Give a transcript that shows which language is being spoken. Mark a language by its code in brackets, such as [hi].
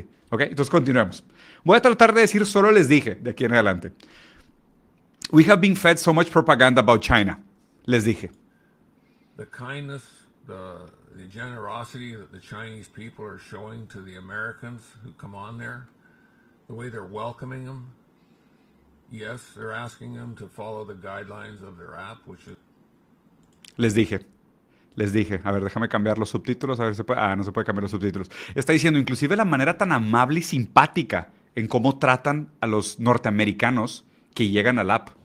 [es] ¿Ok? Entonces continuemos. Voy a tratar de decir solo les dije de aquí en adelante. [en] We have been fed so much propaganda about China. [es] Les dije. [en] The kindness, the generosity that the Chinese people are showing to the Americans who come on there. The way they're welcoming them. Yes, they're asking them to follow the guidelines of their app, which is... [es] Les dije. A ver, déjame cambiar los subtítulos. A ver si se puede... Ah, no se puede cambiar los subtítulos. Está diciendo, inclusive la manera tan amable y simpática en cómo tratan a los norteamericanos que llegan al app.